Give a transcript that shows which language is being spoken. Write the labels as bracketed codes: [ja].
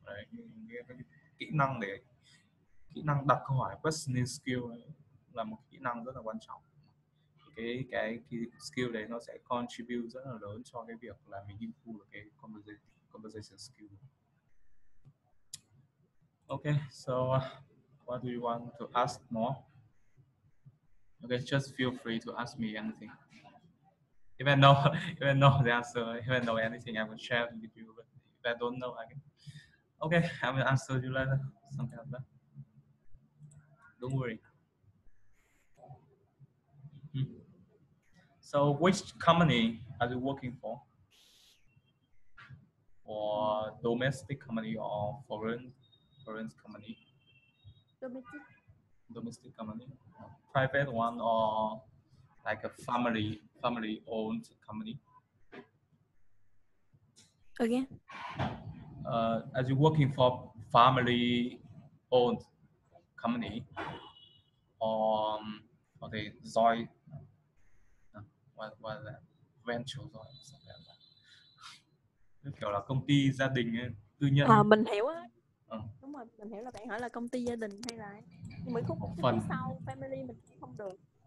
[vi] Đấy, cái kỹ năng đặt câu hỏi, [en] questioning skill [vi] ấy, là một kỹ năng rất là quan trọng. Cái skill đấy nó sẽ [en] contribute [vi] rất là lớn cho cái việc là mình [en] improve [vi] được cái [en] conversation skill. Okay, so what do you want to ask more? Okay, just feel free to ask me anything. Even though the answer, even though anything, I will share with you. But if I don't know, I can. Okay, I will answer you later. Something like that. Don't worry. So, which company are you working for? For domestic company or foreign company? Domestic company. Private one or like a family owned company? Again? As you're working for family-owned company or the joint what that? Venture joint something like that. [vi] Kiểu là công ty gia đình tư nhân. À, mình hiểu á. Đúng rồi, mình hiểu là bạn hỏi là công ty gia đình hay là nhưng mấy khúc phần phía sau family mình không được.